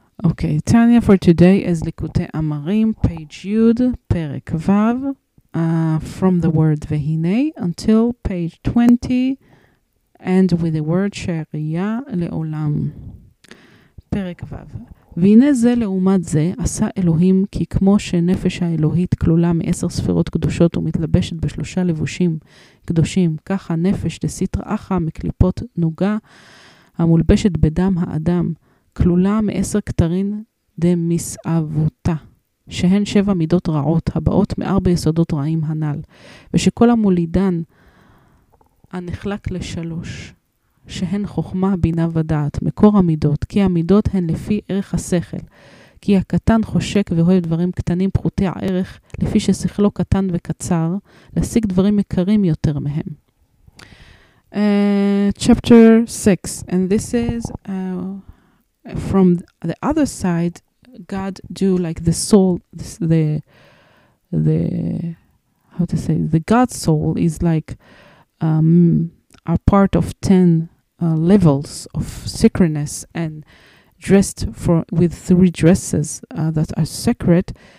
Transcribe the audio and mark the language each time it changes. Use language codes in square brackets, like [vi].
[en] Okay, Tanya for today is Likutei Amarim, page Yud, Perek Vav, from the word Vehine until page 20, and with the word Sheria Leolam. Perek Vav. [he] והנה זה לעומת זה עשה אלוהים כי כמו שנפש האלוהית כלולה מעשר ספירות קדושות ומתלבשת בשלושה לבושים קדושים, ככה נפש דסיטרא אחא מקליפות נוגה המולבשת בדם האדם כלולה מעשר כתרין דמסעבותה, שהן שבע מידות רעות הבאות מארבע יסודות רעים הנ"ל, ושכל המולידן הנחלק לשלוש, שהן חוכמה, בינה ודעת, מקור המידות, כי המידות הן לפי ערך השכל, כי הקטן חושק ואוהב דברים קטנים פחותי הערך, לפי ששכלו קטן וקצר, להשיג דברים יקרים יותר מהם. [en] Chapter 6, and this is from the other side, God do like the soul, the God soul is like a part of 10 levels of sacredness and dressed for with three dresses that are sacred.